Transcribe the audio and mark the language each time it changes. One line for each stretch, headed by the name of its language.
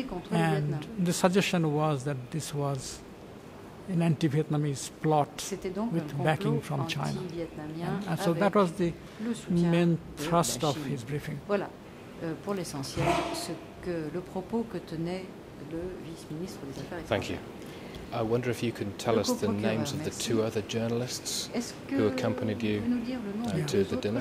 English: And the suggestion was that this was an anti-Vietnamese plot with backing from China. And so that was the main thrust of his briefing.
French: Voilà, pour l'essentiel, le propos que tenait le vice-ministre des Affaires étrangères.
English: I wonder if you can tell us the names of the two other journalists who accompanied you to the dinner.